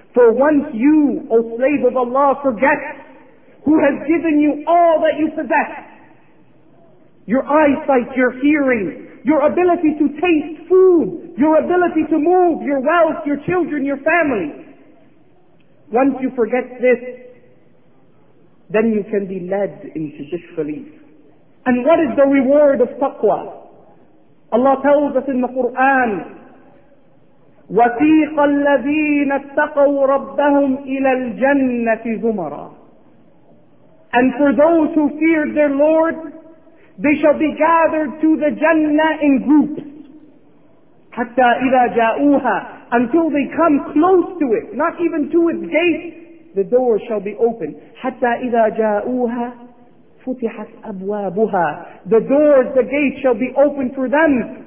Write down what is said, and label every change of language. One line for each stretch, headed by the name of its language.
English: For once you, O slave of Allah, forget who has given you all that you possess, your eyesight, your hearing, your ability to taste food, your ability to move, your wealth, your children, your family. Once you forget this, then you can be led into disbelief. And what is the reward of taqwa? Allah tells us in the Quran,
Arabic: وَثِيقَ الَّذِينَ اتَّقَوْا رَبَّهُمْ إِلَى الْجَنَّةِ زُمَرًا.
English: And for those who feared their Lord, they shall be gathered to the Jannah in groups.
Arabic: حَتَّى إِذَا جَاءُوهَا,
English: until they come close to it, not even to its gate, the door shall be open.
Arabic: حَتَّى إِذَا جَاءُوهَا فُتِحَتْ أَبْوَابُهَا,
English: the doors, the gates shall be open for them.